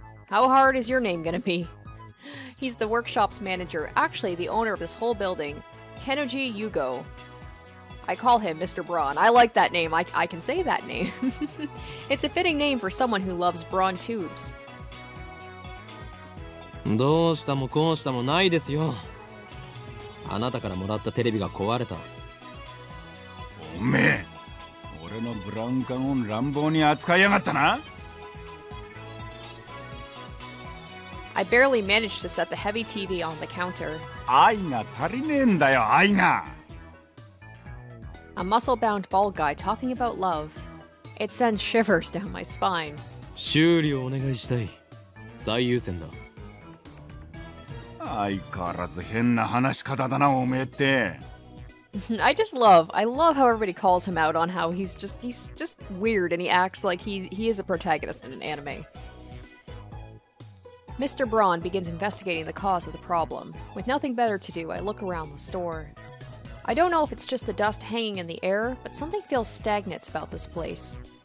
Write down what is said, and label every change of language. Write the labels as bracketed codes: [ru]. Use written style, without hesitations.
[en] How hard is your name gonna be? He's the workshop's manager, actually the owner of this whole building, Tenoji Yugo. I call him Mr. Brawn. I like that name. I can say that name. It's a fitting name for someone who loves Brawn tubes. [ja] どうしたもこうしたもないですよ。あなたからもらったテレビが壊れた。おめえ、俺のブラウン管を乱暴に扱いやがったな。 [en] I barely managed to set the heavy TV on the counter. [ja] 愛が足りねえんだよ、愛が! [en] A muscle-bound bald guy talking about love. It sends shivers down my spine. [ja] 修理をお願いしたい。最優先だ。相変わらず変な話し方だな、おめえって。 [en] I love how everybody calls him out on how he's just weird and he acts like he is a protagonist in an anime. Mr. Braun begins investigating the cause of the problem. With nothing better to do, I look around the store. I don't know if it's just the dust hanging in the air, but something feels stagnant about this place.